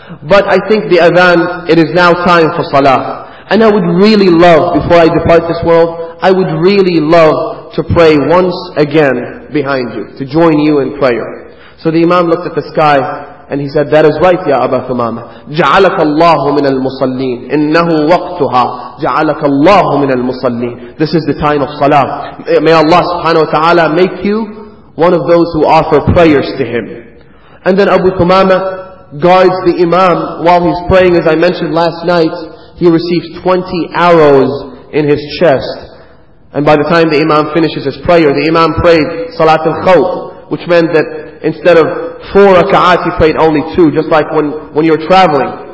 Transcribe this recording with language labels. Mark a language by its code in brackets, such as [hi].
[en] But I think the adhan, it is now time for salah. And I would really love, before I depart this world, I would really love to pray once again behind you, to join you in prayer. So the Imam looked at the sky and he said, that is right, Ya Aba Thumama. [ar] جَعَلَكَ اللَّهُ مِنَ الْمُصَلِّينَ إِنَّهُ وَقْتُهَا جَعَلَكَ اللَّهُ مِنَ الْمُصَلِّينَ [en] This is the time of salah. May Allah subhanahu wa ta'ala make you one of those who offer prayers to Him. And then Abu Thumama guards the Imam while he's praying. As I mentioned last night, he receives 20 arrows in his chest. And by the time the Imam finishes his prayer, the Imam prayed Salat al-Khawf, which meant that instead of 4 raka'at, he prayed only 2, just like when you're traveling.